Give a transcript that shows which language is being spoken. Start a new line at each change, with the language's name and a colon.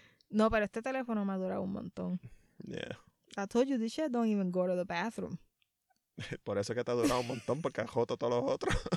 Spanish: No, pero este teléfono me ha durado un montón.
English: Yeah. I told you, this shit don't even go to the bathroom.
Spanish: Por eso que te ha durado un montón, porque ha roto todos los otros.